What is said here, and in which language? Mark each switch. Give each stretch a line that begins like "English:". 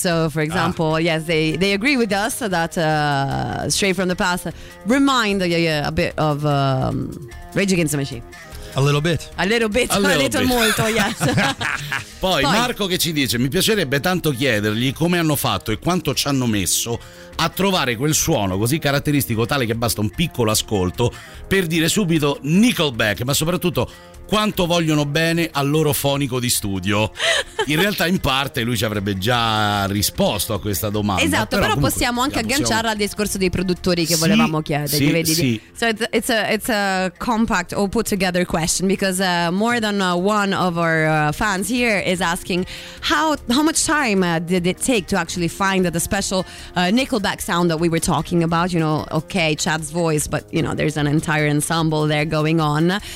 English: So, for example, yes, they agree with us that Straight from the Past remind a bit of Rage Against the Machine. A little bit.
Italian: Molto,
English: yes.
Italian: Poi Marco che ci dice, mi piacerebbe tanto chiedergli come hanno fatto e quanto ci hanno messo a trovare quel suono così caratteristico, tale che basta un piccolo ascolto per dire subito Nickelback, ma soprattutto quanto vogliono bene al loro fonico di studio. In realtà in parte lui ci avrebbe già risposto a questa domanda. Esatto, però comunque, possiamo anche agganciarla al discorso dei produttori che volevamo chiedere. Sì, vedi? Sì.
English: So it's a compact or put together question, because more than one of our fans here is asking how much time did it take to actually find the special Nickelback sound that we were talking about, you know, okay, Chad's voice, but you know, there's an entire ensemble there going on.